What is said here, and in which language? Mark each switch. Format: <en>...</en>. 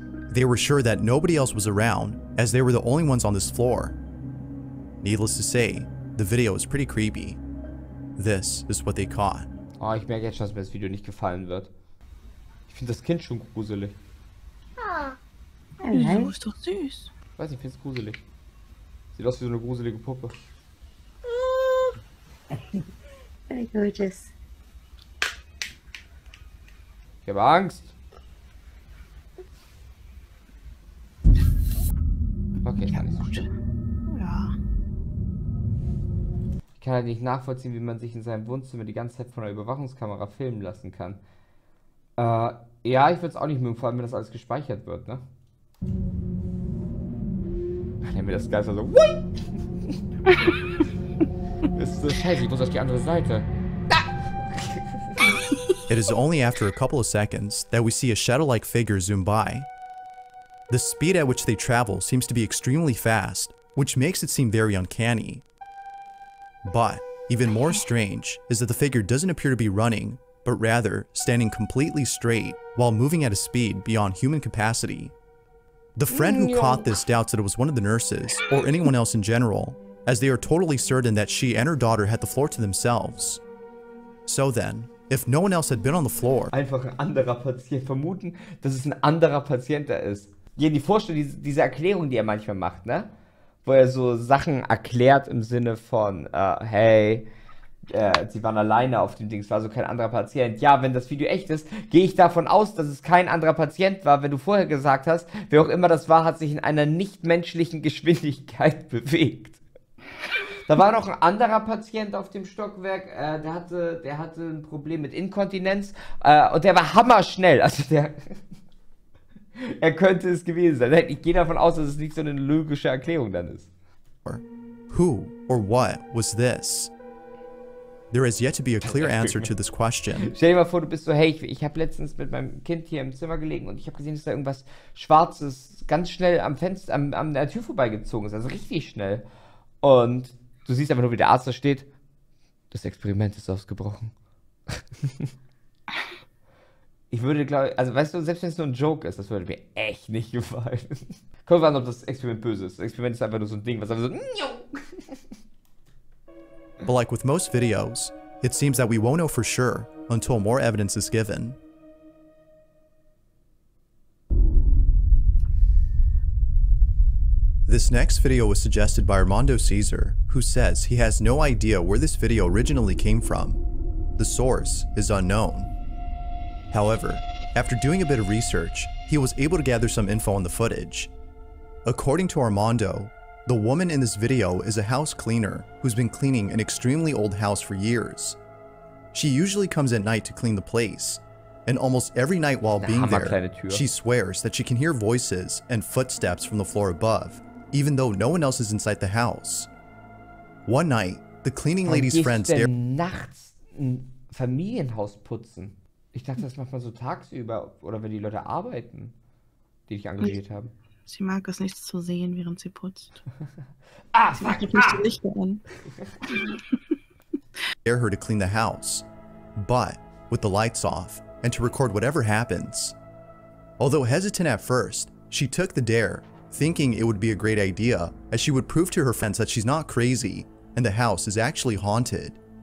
<en>They were sure that nobody else was around, as they were the only ones on this floor. Needless to say, the video is pretty creepy. This is what they caught.</en> <de>Oh, ich merke jetzt schon, dass mir das Video nicht gefallen wird. Ich finde das Kind schon gruselig. Ah. Nein. Ist doch süß. Ich weiß nicht, ich finde es gruselig. Sieht aus wie so eine gruselige Puppe.</de> <en>Very gorgeous.</en> <de>Ich habe Angst. Okay, ich kann nicht so schön. Ich kann halt nicht nachvollziehen, wie man sich in seinem Wohnzimmer die ganze Zeit von einer Überwachungskamera filmen lassen kann. Ja, ich würde es auch nicht mögen, vor allem wenn das alles gespeichert wird, ne? Dann haben wir das Geister so. Das ist so scheiße, ich muss auf die andere Seite.</de> <en>It is only after a couple of seconds that we see a shadow-like figure zoom by. The speed at which they travel seems to be extremely fast, which makes it seem very uncanny. But, even more strange, is that the figure doesn't appear to be running, but rather, standing completely straight, while moving at a speed beyond human capacity. The friend who caught this doubts that it was one of the nurses, or anyone else in general, as they are totally certain that she and her daughter had the floor to themselves. So then, if no one else had been on the floor...</en> <de>Einfach ein anderer Patient vermuten, dass es ein anderer Patient da ist. Ja, die Vorstellung, diese Erklärung, die er manchmal macht, ne? Wo er so Sachen erklärt im Sinne von, hey, Sie waren alleine auf dem Ding, es war so kein anderer Patient. Ja, wenn das Video echt ist, gehe ich davon aus, dass es kein anderer Patient war, wenn du vorher gesagt hast, wer auch immer das war, hat sich in einer nichtmenschlichen Geschwindigkeit bewegt. Da war noch ein anderer Patient auf dem Stockwerk, der hatte ein Problem mit Inkontinenz, und der war hammerschnell. Also er könnte es gewesen sein. Ich gehe davon aus, dass es nicht so eine logische Erklärung dann ist.</de> <en>Who or what was this? There is yet to be a clear answer to this question.</en> <de>Stell dir mal vor, du bist so, hey, ich habe letztens mit meinem Kind hier im Zimmer gelegen und ich habe gesehen, dass da irgendwas Schwarzes ganz schnell am Fenster, an der Tür vorbeigezogen ist, also richtig schnell. Und du siehst einfach nur, wie der Arzt da steht. Das Experiment ist ausgebrochen. Ich würde, glaube ich, also weißt du, selbst wenn es nur ein Joke ist, das würde mir echt nicht gefallen. Guck mal an, ob das Experiment böse ist. Das Experiment ist einfach nur so ein Ding, was einfach so...</de> <en>But like with most videos, it seems that we won't know for sure until more evidence is given. This next video was suggested by Armando Caesar, who says he has no idea where this video originally came from. The source is unknown. However, after doing a bit of research, he was able to gather some info on the footage. According to Armando, the woman in this video is a house cleaner who's been cleaning an extremely old house for years. She usually comes at night to clean the place, and almost every night while being there, she swears that she can hear voices and footsteps from the floor above, even though no one else is inside the house. One night, the cleaning lady's friends dare-</en> <de>nachts ein Familienhaus putzen? Ich dachte, das macht man so tagsüber, oder wenn die Leute arbeiten, die dich engagiert haben. Sie mag es nicht zu sehen, während sie putzt. Ah, sie macht nicht die Lichter an.</de> <en>Dare her to clean the house, but with the lights off, and to record whatever happens. Although hesitant at first, she took the dare, thinking it would be a great idea, as she would prove to her friends that she's not crazy, and the house is actually haunted.</en>